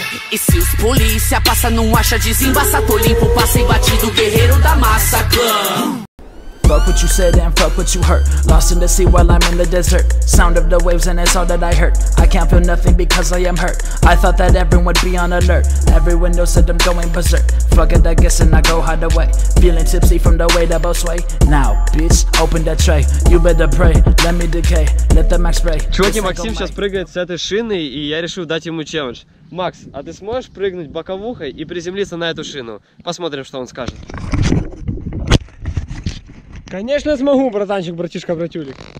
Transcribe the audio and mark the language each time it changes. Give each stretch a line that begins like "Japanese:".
Portuguese: E se os polícia passa, não acha desembaça, tô limpo, passa embatido, guerreiro da massa, clã.
English: Fuck what you said and fuck what you heard. Lost in the sea while I'm in the desert. Sound of the waves and it's all that I heard. I can't feel nothing because I am hurt. I thought that everyone would be on alert. Every window said I'm going berserk. Fuck it, I guess and I go hide away. Feeling tipsy from the way the boat sway. Now, bitch, open the tray. You better pray, let me decay. Let the max spray.
Russian: Чуваки, Максим сейчас прыгает с этой шины, и я решил дать ему челлендж. Макс, а ты сможешь прыгнуть боковухой и приземлиться на эту шину? Посмотрим, что он скажет. Конечно смогу, братанчик, братишка, братюлик.